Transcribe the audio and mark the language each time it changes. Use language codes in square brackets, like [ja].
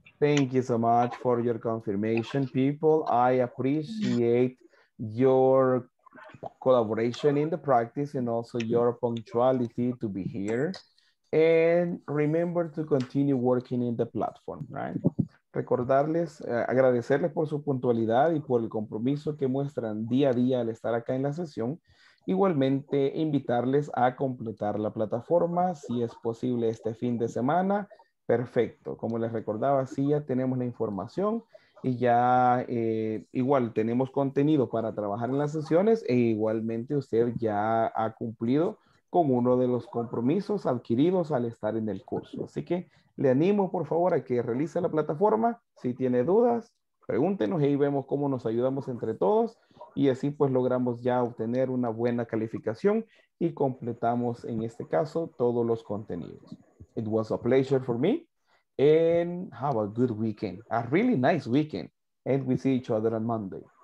[en] Thank you so much for your confirmation, people. I appreciate your collaboration in the practice and also your punctuality to be here. And remember to continue working in the platform, right? [es] Recordarles, agradecerles por su puntualidad y por el compromiso que muestran día a día al estar acá en la sesión. Igualmente, invitarles a completar la plataforma si es posible este fin de semana. Perfecto. Como les recordaba, sí, ya tenemos la información. Y ya igual tenemos contenido para trabajar en las sesiones e igualmente usted ya ha cumplido con uno de los compromisos adquiridos al estar en el curso. Así que le animo por favor a que realice la plataforma. Si tiene dudas, pregúntenos y ahí vemos cómo nos ayudamos entre todos y así pues logramos ya obtener una buena calificación y completamos en este caso todos los contenidos. [en] It was a pleasure for me and have a good weekend, a really nice weekend, and we see each other on Monday.